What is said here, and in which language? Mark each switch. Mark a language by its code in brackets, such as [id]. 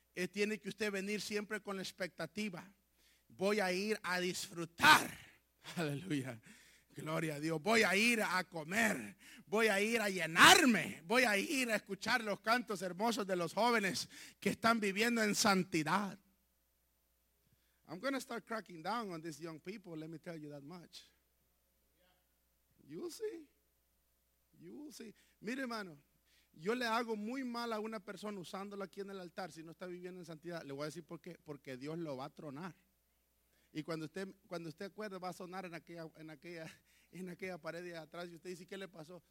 [es] Tiene que usted venir siempre con la expectativa, voy a ir a disfrutar, aleluya, gloria a Dios, voy a ir a comer, voy a ir a llenarme, voy a ir a escuchar los cantos hermosos de los jóvenes que están viviendo en santidad. [en] I'm going to start cracking down on these young people, let me tell you that much. You will see. [es] Mire, hermano, yo le hago muy mal a una persona usándola aquí en el altar si no está viviendo en santidad. Le voy a decir por qué. Porque Dios lo va a tronar. Y cuando usted acuerde, va a sonar en aquella pared de atrás. Y usted dice, ¿qué le pasó?